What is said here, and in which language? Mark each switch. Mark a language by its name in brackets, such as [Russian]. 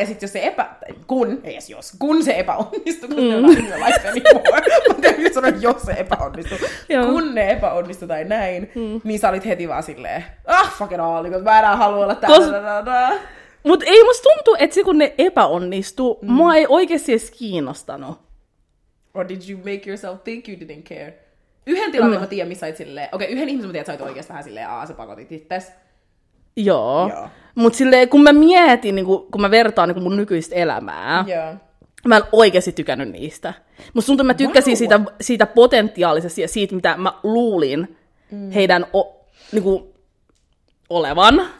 [Finnish] Ja sit jos se kun se epäonnistui, kun ne on aina niin mutta nyt sanoin, että jos se epäonnistui, kun ne epäonnistui tai näin, niin sä olit heti vaan silleen, ah, fucking all, niin mä enää haluan olla täällä. Mut ei musta tuntuu, että se kun ne epäonnistui, mua ei oikeasti edes kiinnostanut. [English] Or did you make yourself think you didn't care? [Finnish] Yhden tilanteen mä tiedän, missä sä oit silleen... Okei, yhden ihmisen mä tiedän, että sä oit oikeastaan vähän silleen, aah, sä pakotit itses. Joo. Mut silleen, kun mä mietin, niin kun mä vertaan niin kun mun nykyistä elämää, mä en oikeasti tykännyt niistä. Mut sun tuntuu, mä tykkäsin siitä potentiaalisesti ja siitä, mitä mä luulin heidän niin kun olevan.